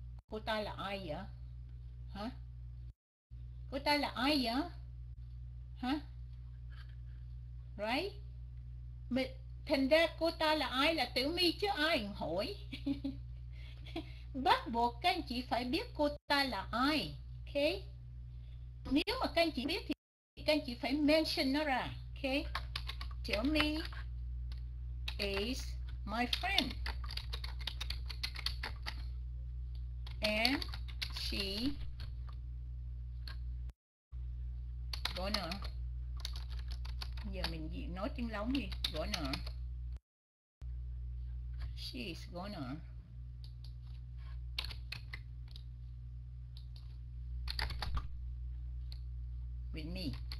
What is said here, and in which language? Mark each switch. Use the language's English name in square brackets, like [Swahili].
[Vietnamese] Cô ta là ai vậy? Hả? Cô ta là ai vậy? Hả? Right? Mình, thành ra cô ta là ai? Là Tiểu My chứ ai hỏi. Bắt buộc các anh chị phải biết cô ta là ai. Okay. Nếu mà các anh chị biết thì các anh chị phải mention nó ra. [English] Okay. Tell me is my friend and she gonna. [Vietnamese] Giờ mình nói tiếng lóng đi. [English] Gonna. She is gonna. With me.